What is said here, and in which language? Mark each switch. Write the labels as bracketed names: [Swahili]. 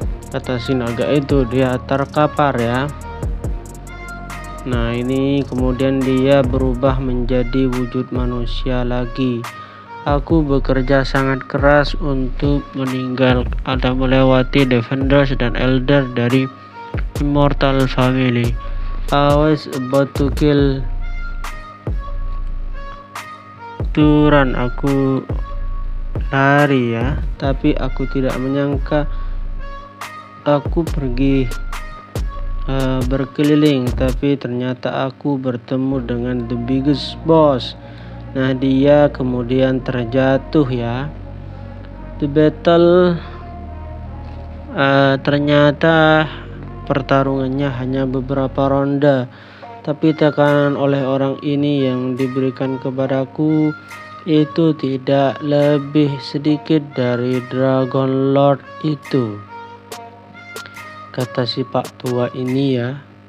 [Indonesian] Kata si naga itu, dia terkapar, ya. Nah, ini kemudian dia berubah menjadi wujud manusia lagi. Aku bekerja sangat keras untuk meninggal atau melewati Defenders dan Elder dari Immortal Family. [English] I was about to kill Turan. [Indonesian] Aku lari, ya, tapi aku tidak menyangka aku pergi berkeliling, tapi ternyata aku bertemu dengan [English] the biggest boss. [Indonesian] Nah, dia kemudian terjatuh, ya. [English] The battle [Indonesian] ternyata pertarungannya hanya beberapa ronde, tapi tekanan oleh orang ini yang diberikan kepadaku itu tidak lebih sedikit dari Dragon Lord itu, kata si pak tua ini, ya.